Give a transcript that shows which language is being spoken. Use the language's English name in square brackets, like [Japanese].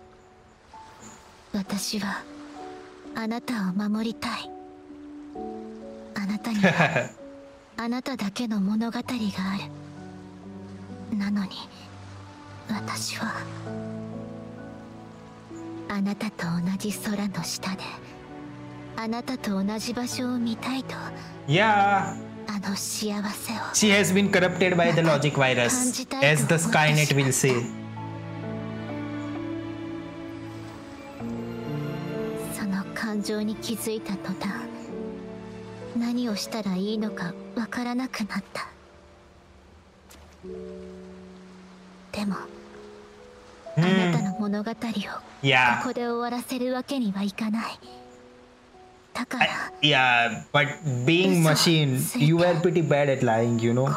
[Japanese] 感情を持たない入れ物、道具として存在する私がテティスシステムのコアに最適だとあなたは分かっていたはず。私は あなたを守りたい。あなたにはあなただけの物語がある。なのに私はあなたと同じ空の下で、あなたと同じ場所を見たいと。 [English] Yeah. [Japanese] あの幸せを。 [English] She has been corrupted by the logic virus, as the Skynet will say. [Japanese] 感情に気づいた途端、何をしたらいいのかわからなくなった。でも、あなたの物語をここで終わらせるわけにはいかない。だから、 [English] Yeah, but being machine, you are pretty bad at lying, you know?